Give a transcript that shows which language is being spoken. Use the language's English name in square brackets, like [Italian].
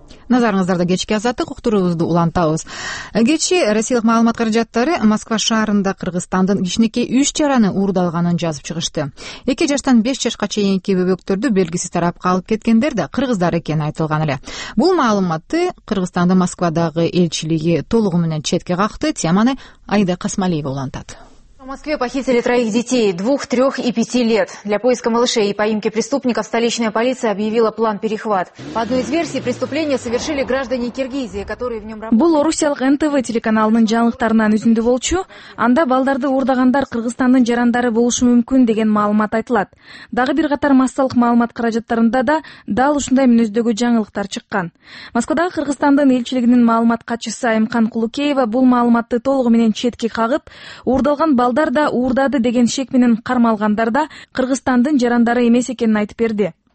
[Kyrgyz] Назарыңыздарды кечке Азаттык уктуруубузду улантабыз. Кечээ Россиялык маалымат каражаттары Москва шаарында Кыргызстандын кичинекей 3 чараны уурдалганын жазып чыгышты. 2 жаштан 5 жашка чейинки бөбөктөрдү белгисиз тарапка алып кеткендер да кыргыздар экени айтылган эле. Бул маалыматты Кыргызстандын Москвадагы элчилиги толугу менен четке какты. Теманы Айда Касмалиева улантат. [Russian] В Москве похитили 3 детей, 2, 3 и 5 лет. Для поиска малышей и поимки преступника столичная полиция объявила план перехват. По одной из версий, преступление совершили граждане Киргизии, которые в нем работали. [Kyrgyz] Бул Орусиялык НТВ телеканалынын жаңылыктарынан үзүндү болчу, анда балдарды уурдагандар Кыргызстандын жарандары болушу мүмкүн деген маалымат айтылат. Дагы бир катар массалык маалымат каражаттарында да дал ушундай мүнөздөгү жаңылыктар чыккан. Москвадагы Кыргызстандын элчилигинин маалымат катчысы Айымкан Кулукеева бул маалыматты толугу менен четке кагып, уурдалган балдар да уурдады деген шек менен кармалгандар да Кыргызстандын жарандары эмес экенин айтып берди.